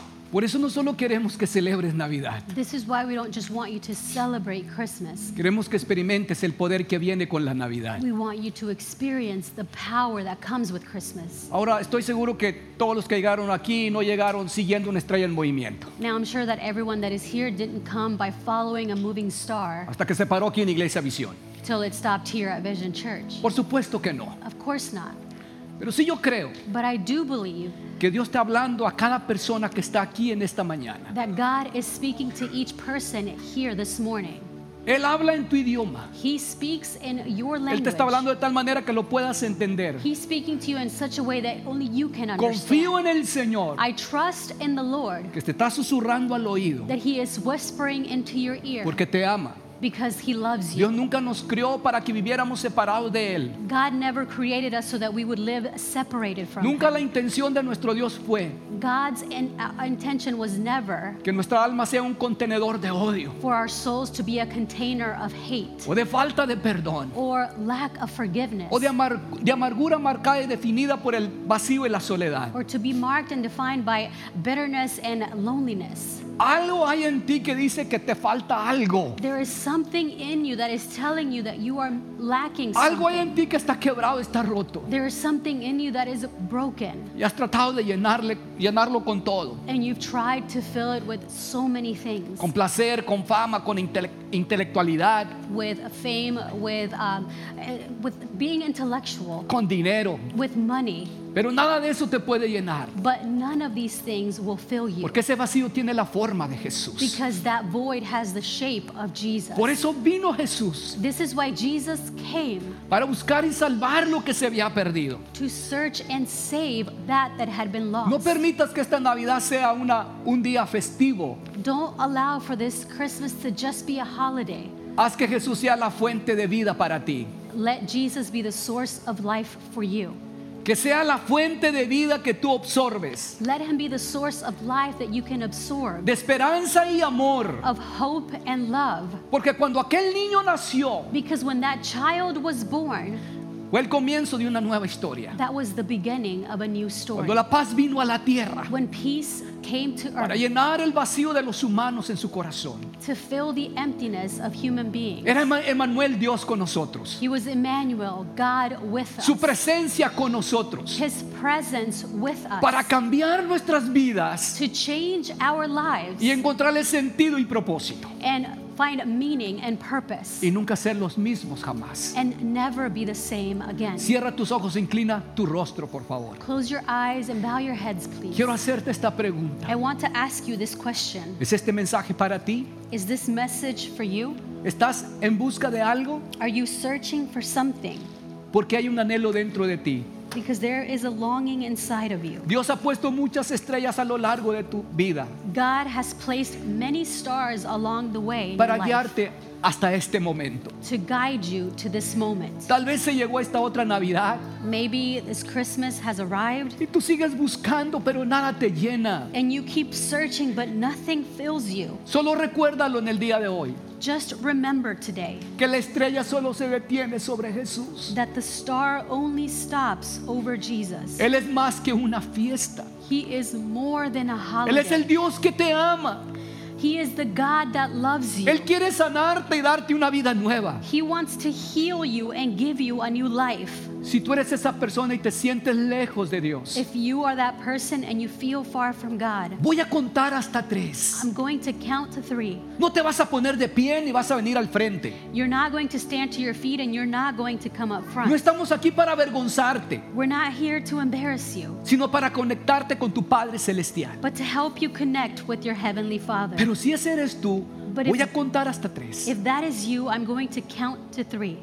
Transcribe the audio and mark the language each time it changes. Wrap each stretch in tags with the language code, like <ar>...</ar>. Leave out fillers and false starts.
<es>Por eso no solo queremos que celebres Navidad.</es> <en>This is why we don't just want you to celebrate Christmas.</en> <es>Queremos que experimentes el poder que viene con la Navidad.</es> <en>We want you to experience the power that comes with Christmas.</en> <es>Ahora estoy seguro que todos los que llegaron aquí no llegaron siguiendo una estrella en movimiento.</es> <en>Now I'm sure that everyone that is here didn't come by following a moving star.</en> <es>Hasta que se paró aquí en Iglesia Visión.</es> <en>Till it stopped here at Vision Church.</en> <es>Por supuesto que no.</es> <en>Of course not.</en> <es>Pero sí yo creo.</es> <en>But I do believe.</en> <es>Que Dios está hablando a cada persona que está aquí en esta mañana.</es> <en>That God is speaking to each person here this morning.</en> <es>Él habla en tu idioma.</es> <en>He speaks in your language.</en> <es>Él te está hablando de tal manera que lo puedas entender.</es> <en>He's speaking to you in such a way that only you can understand.</en> <es>Confío en el Señor.</es> <en>I trust in the Lord.</en> <es>Que te está susurrando al oído.</es> <en>That he is whispering into your ear.</en> <es>Porque te ama.</es> <en>Because he loves you.</en> <es>Dios nunca nos creó para que viviéramos separados de él.</es> <en>God never created us so that we would live separated from</en> <es>nunca</es> <en>him.</en> <es>La intención de nuestro Dios fue</es> <en>God's intention was never</en> <es>que nuestra alma sea un contenedor de odio</es> <en>for our souls to be a container of hate</en> <es>o de falta de perdón</es> <en>or lack of forgiveness</en> <es>o de amargura marcada y definida por el vacío y la soledad</es> <en>or to be marked and defined by bitterness and loneliness.</en> <es>Algo hay en ti que dice que te falta algo.</es> <en>There is something in you that is telling you that you are lacking something.</en> <es>Algo hay en ti que está quebrado, está roto.</es> <en>There is something in you that is broken.</en> <es>Y has tratado de llenarlo con todo.</es> <en>And you've tried to fill it with so many things.</en> <es>Con placer, con fama, con intelectualidad.</es> <en>With fame, with being intellectual.</en> <es>Con dinero.</es> <en>With money.</en> <es>Pero nada de eso te puede llenar.</es> <en>But none of these things will fill you.</en> <es>Porque ese vacío tiene la forma de Jesús.</es> <en>Because that void has the shape of Jesus.</en> <es>Por eso vino Jesús.</es> <en>This is why Jesus came.</en> <es>Para buscar y salvar lo que se había perdido.</es> <en>To search and save that had been lost.</en> <es>No permitas que esta Navidad sea un día festivo.</es> <en>Don't allow for this Christmas to just be a holiday.</en> <es>Haz que Jesús sea la fuente de vida para ti.</es> <en>Let Jesus be the source of life for you.</en> <es>Que sea la fuente de vida que tú absorbes.</es> <en>Let him be the source of life that you can absorb.</en> <es>De esperanza y amor.</es> <en>Of hope and love.</en> <es>Porque cuando aquel niño nació.</es> <en>Because when that child was born.</en> <es>Fue el comienzo de una nueva historia.</es> <en>That was the beginning of a new story.</en> <es>Cuando la paz vino a la tierra.</es> <en>When peace came to earth.</en> <es>Para llenar el vacío de los humanos en su corazón.</es> <en>To fill the emptiness of human beings.</en> <es>Era Emmanuel, Dios con nosotros.</es> <en>He was Emmanuel, God with us.</en> <es>Su presencia con nosotros.</es> <en>His presence with us.</en> <es>Para cambiar nuestras vidas.</es> <en>To change our lives.</en> <es>Y encontrarle sentido y propósito.</es> <en>And find meaning and purpose.</en> <es>Y nunca ser los mismos jamás.</es> <en>And never be the same again.</en> <es>Cierra tus ojos, inclina tu rostro, por favor.</es> <en>Close your eyes and bow your heads, please.</en> <es>Quiero hacerte esta pregunta.</es> <en>I want to ask you this question.</en> <es>¿Es este mensaje para ti?</es> <en>Is this message for you?</en> <es>¿Estás en busca de algo?</es> <en>Are you searching for something?</en> <es>Porque hay un anhelo dentro de ti.</es> <en>Because there is a longing inside of you.</en> <es>Dios ha puesto muchas estrellas a lo largo de tu vida.</es> <en>God has placed many stars along the way in</en> <es>para guiarte hasta este momento.</es> <en>To guide you to this moment.</en> <es>Tal vez se llegó esta otra Navidad.</es> <en>Maybe this Christmas has arrived.</en> <es>Y tú sigues buscando, pero nada te llena.</es> <en>And you keep searching, but nothing fills you.</en> <es>Solo recuérdalo en el día de hoy.</es> <en>Just remember today</en> <es>que la estrella solo se detiene sobre Jesús.</es> <en>That the star only stops over Jesus.</en> <es>Él es más que una fiesta.</es> <en>He is more than a holiday.</en> <es>Él es el Dios que te ama.</es> <en>He is the God that loves you.</en> <es>Él quiere sanarte y darte una vida nueva.</es> <en>He wants to heal you and give you a new life.</en> <es>Si tú eres esa persona y te sientes lejos de Dios,</es> <en>if you are that person and you feel far from God,</en> <es>voy a contar hasta tres.</es> <en>I'm going to count to three.</en> <es>No te vas a poner de pie ni vas a venir al frente.</es> <en>You're not going to stand to your feet and you're not going to come up front.</en> <es>No estamos aquí para avergonzarte.</es> <en>We're not here to embarrass you.</en> <es>Sino para conectarte con tu Padre Celestial.</es> <en>But to help you connect with your Heavenly Father.</en> <es>Pero si ese eres tú,</es> <en>but</en> <es>voy a contar hasta tres.</es> <en>If that is you, I'm going to count to three.</en>